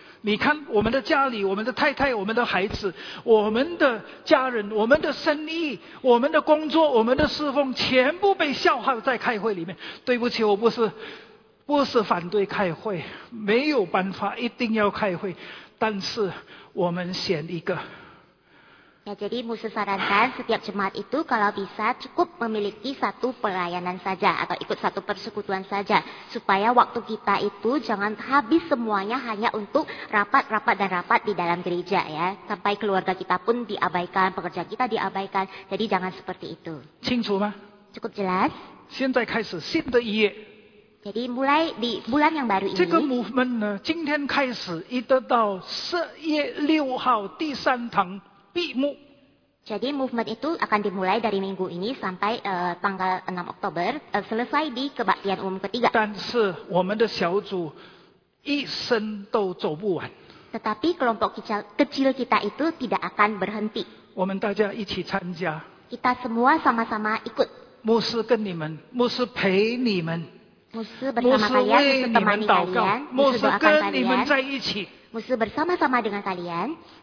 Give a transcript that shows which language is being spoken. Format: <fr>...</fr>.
<zh>你看我们的家里，我们的太太，我们的孩子，我们的家人，我们的生意，我们的工作，我们的侍奉，全部被消耗在开会里面。对不起，我不是反对开会，没有办法，一定要开会，但是我们选一个。</zh> <id>Ya, jadi Musa sarankan setiap jemaat itu kalau bisa cukup memiliki satu pelayanan saja atau ikut satu persekutuan saja supaya waktu kita itu jangan habis semuanya hanya untuk rapat-rapat dan rapat di dalam gereja ya, sampai keluarga kita pun diabaikan, pekerja kita diabaikan. Jadi jangan seperti itu. Cukup jelas?</id> <zh>现在开始, 新的一页.</zh> <id>Jadi mulai di bulan yang baru ini.</id> <zh>这个movement呢,今天开始, 一直到 11月6号第三堂 闭幕.</zh> <id>Jadi movement itu akan dimulai dari minggu ini sampai tanggal 6 Oktober selesai di kebaktian umum ketiga.</id> <zh>但是我们的小组一生都走不完.</zh> <id>Tetapi kelompok kecil, kecil kita itu tidak akan berhenti.</id> <zh>我们大家一起参加.</zh> <id>Kita semua sama-sama ikut.</id> <zh>牧师跟你们, 牧师陪你们.</zh> <id>牧师 bersama kalian,</id> <zh>牧师跟你们在一起.</zh> <id>牧师 bersama-sama dengan kalian.</id>